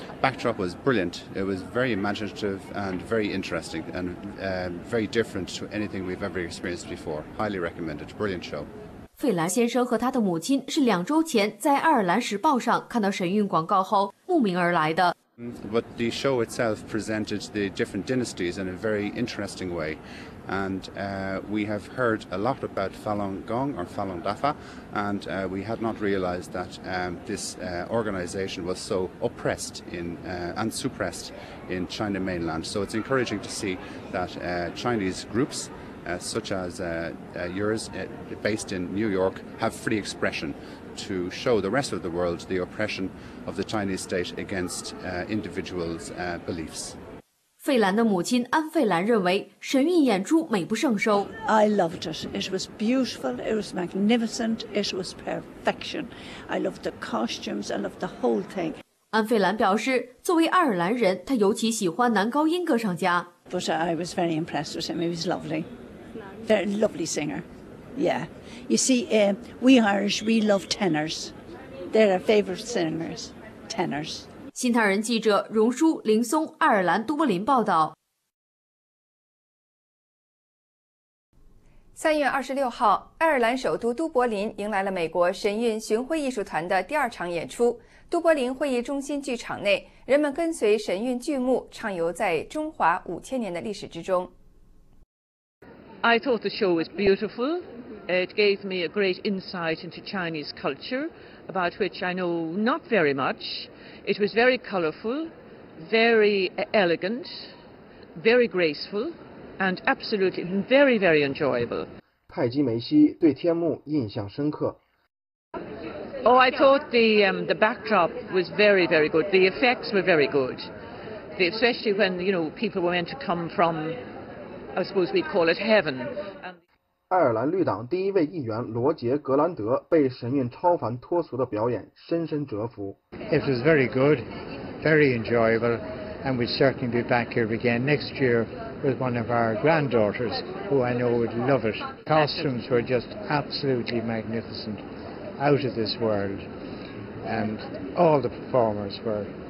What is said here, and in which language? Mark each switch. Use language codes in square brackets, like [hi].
[en] Backdrop was brilliant. It was very imaginative and very interesting and very different to anything we've ever experienced before. Highly recommended. Brilliant show. [zh] 费兰先生和他的母亲是两周前在爱尔兰时报上看到神韵广告后慕名而来的。 [en] But the show itself presented the different dynasties in a very interesting way. And we have heard a lot about Falun Gong or Falun Dafa, and we had not realized that this organization was so oppressed and suppressed in China mainland. So it's encouraging to see that Chinese groups such as yours, based in New York, have free expression. To show the rest of the world the oppression of the Chinese state against individuals' beliefs. [zh] 费兰的母亲安费兰认为神韵演出美不胜收。 [en] I loved it. It was beautiful. It was magnificent. It was perfection. I loved the costumes. I loved the whole thing. [zh] 安费兰表示，作为爱尔兰人，他尤其喜欢男高音歌唱家。 [en] But I was very impressed with him. He was lovely. Very lovely singer. Yeah, you see, we Irish, we love tenors. They're our favorite singers, tenors. [zh] 新唐人记者荣舒、林松，爱尔兰都柏林报道。 3月26号，爱尔兰首都都柏林迎来了美国神韵巡回艺术团的第二场演出。都柏林会议中心剧场内，人们跟随神韵剧目畅游在中华5000年的历史之中。 [en] I thought the show was beautiful. It gave me a great insight into Chinese culture, about which I know not very much. It was very colorful, very elegant, very graceful, and absolutely very, very enjoyable. [zh] 泰姬梅西对天幕印象深刻。 [en] Oh, I thought the backdrop was very, very good. The effects were very good, especially when, you know, people were meant to come from, I suppose we'd call it heaven. [zh] 爱尔兰绿党第一位议员罗杰·格兰德被神韵超凡脱俗的表演深深折服。 [en] It was very good, very enjoyable, and we'll certainly be back here again next year with one of our granddaughters, who I know would love it. Costumes were just absolutely magnificent, out of this world, and all the performers were.